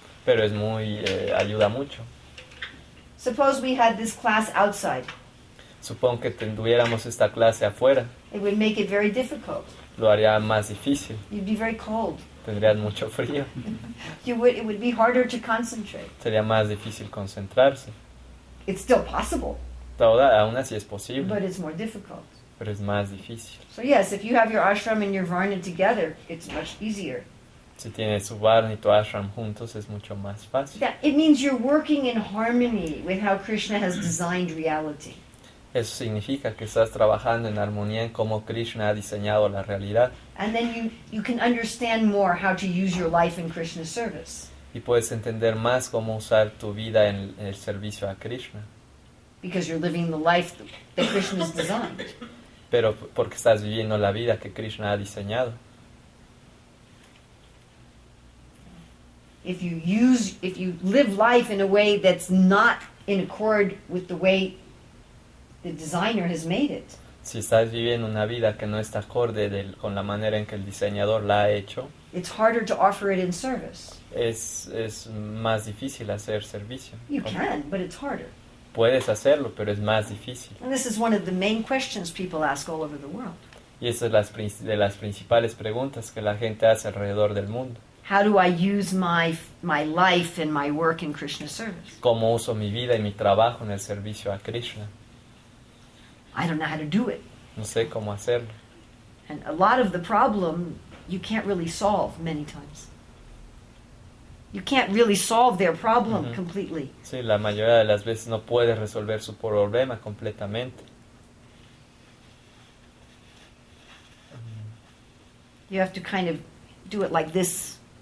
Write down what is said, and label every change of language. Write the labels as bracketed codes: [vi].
[es] Pero es muy, ayuda mucho. [en] Suppose we had this class outside. [es] Supongo que tuviéramos esta clase afuera. [en] It would make it very difficult. [es] Lo haría más difícil. [en] You'd be very cold. [es] Tendrías mucho frío. [en] It would be harder to concentrate. [es] Sería más difícil concentrarse. [en] It's still possible. [es] Toda, aún así es posible. [en] But it's more difficult. [es] Pero es más difícil. [en] So yes, if you have your ashram and your varna together, it's much easier. [es] Si tienes su varna y tu ashram juntos, es mucho más fácil. [en] Yeah, it means you're working in harmony with how Krishna has designed reality. [es] Eso significa que estás trabajando en armonía en cómo Krishna ha diseñado la realidad. [en] And then you can understand more how to use your life in Krishna's service. [es] Y puedes entender más cómo usar tu vida en el servicio a Krishna. [en] Because you're living the life that Krishna has designed. [es] Pero porque estás viviendo la vida que Krishna ha diseñado. [en] If you live life in a way that's not in accord with the way the designer has made it. [es] Si estás viviendo una vida que no está acorde con la manera en que el diseñador la ha hecho, [en] it's harder to offer it in service. [es] Es más difícil hacer servicio. [en] You can, but it's harder. [es] Puedes hacerlo, pero es más difícil. [en] And this is one of the main questions people ask all over the world. [es] Y esa es de las principales preguntas que la gente hace alrededor del mundo. [en] How do I use my life and my work in Krishna's service? [es] ¿Cómo uso mi vida y mi trabajo en el servicio a Krishna? [en] I don't know how to do it. [es] No sé cómo hacerlo. [en] And a lot of the problem you can't really solve many times. You can't really solve their problem mm-hmm. completely. [es] Sí, la mayoría de las veces no puedes resolver su problema completamente. [en] You have to kind of do it like this.